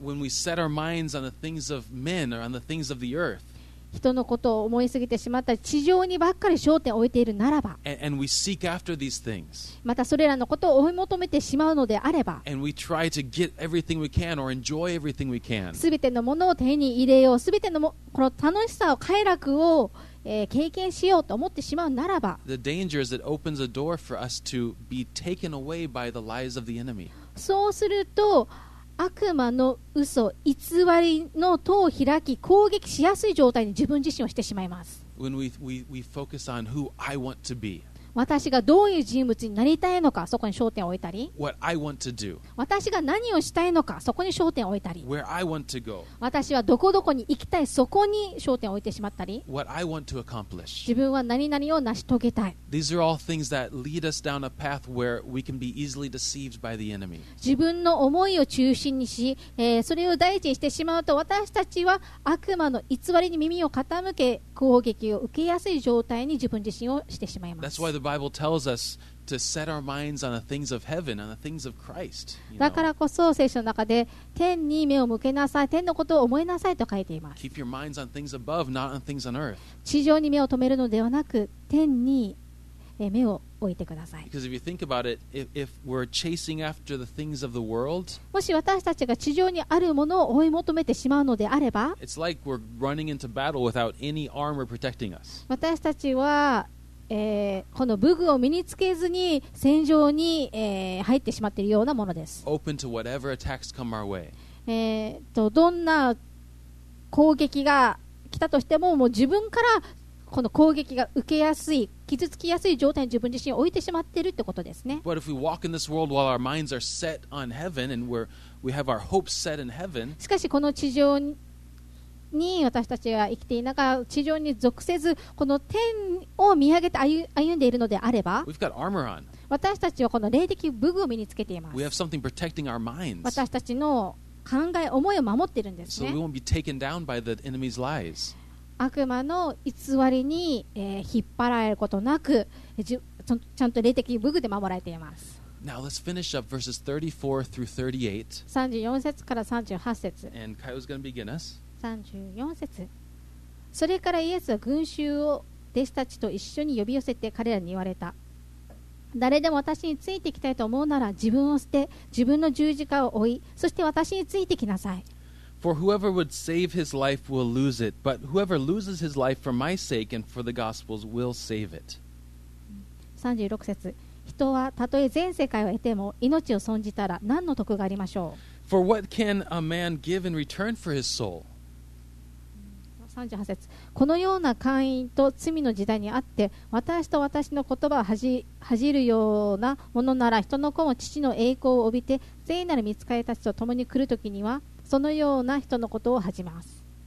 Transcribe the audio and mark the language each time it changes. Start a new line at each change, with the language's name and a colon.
English: When we set our minds on the things of men or on the things of the earth.
Japanese: 人のことを思いすぎてしまった地上にばっかり焦点を置いているならば、
English: and we seek after these things.
Japanese: またそれらのことを追い求めてしまうのであれば、
English: and we try to get everything we can or enjoy everything we can.
Japanese: 全てのものを手に入れよう、全て この楽しさを快楽を、経験しようと思ってしまうならば、
English: the danger is it opens a door for us to be taken away by the lies of the enemy.
Japanese: そうすると悪魔の嘘、偽りの塔を開き、攻撃しやすい状態に自分自身をしてしまいます。
English: When we focus on who I want to be.
Japanese: 私がどういう人物になりたいのか、そこに焦点を置いたり、
English: What I want to do.
Japanese: 私が何をしたいのか、そこに焦点を置いたり、
English: Where I want to go.
Japanese: 私はどこどこに行きたい、そこに焦点を置いてしまったり、
English: What I want to accomplish.
Japanese: 自分は何々を成し遂げたい。
English: These are all things that lead us down a path where we can be easily deceived by the enemy.
Japanese: 自分の思いを中心にし、それを大事にしてしまうと、私たちは悪魔の偽りに耳を傾け、攻撃を受けやすい状態に自分自身をしてしまいます。
English: That's why the Bible tells us to set our minds on the things of heaven, on the things of Christ.
Japanese: だからこそ聖書の中で天に目を向けなさい、天のことを思いなさいと書いています。
English: Keep your minds on things above, not on things on earth.
Japanese: 地上に目を留めるのではなく、天に目を置いてください。
English: Because if you think about it, if we're chasing after the things of the world,
Japanese: もし私たちが地上にあるものを追い求めてしまうのであれば、
English: It's like we're running into battle without any armor protecting us.
Japanese: 私たちは、この武具を身につけずに戦場に、入ってしまっているようなものです。
English: Open to whatever attacks come our way.
Japanese: どんな攻撃が来たとしても、もう自分からこの攻撃が受けやすい、傷つきやすい状態に自分自身を置いてしまっているってことですね。
English: But if we walk in this world while our minds are set on heaven and we have our hopes set in heaven,
Japanese: しかしこの地上に私たちが生きていながら、地上に属せずこの天を見上げて歩んでいるのであれば、
English: we've got armor on.
Japanese: 私たちはこの霊的武具を身につけています。
English: We have something protecting our minds.
Japanese: 私たちの考え、思いを守っているんですね。
English: So we won't be taken down by the enemy's lies.
Japanese: 悪魔の偽りに、引っ張られることなく、ちゃんと霊的武具で守られています。
English: Now let's finish up verses 34 through 38.
Japanese: 34節から38節。
English: And Kyle's going to begin us.
Japanese: 34節。それからイエスは群衆を弟子たちと一緒に呼び寄せて彼らに言われた。誰でも私についていきたいと思うなら、自分を捨て自分の十字架を追い、そして私についてきなさい。
English: For whoever would save his life will lose it, but whoever loses his life for my sake and for the gospel's will save it.
Japanese: 36節。人はたとえ全世界を得ても命を損じたら何の得がありましょう。
English: For what can a man give in return for his soul?
Japanese: 38節。このような寛因と罪の時代にあって、私と私の言葉を恥じるようなものなら、人の子も父の栄光を帯びて聖なる御使いたちと共に来るときには、そのような人のことを恥じます。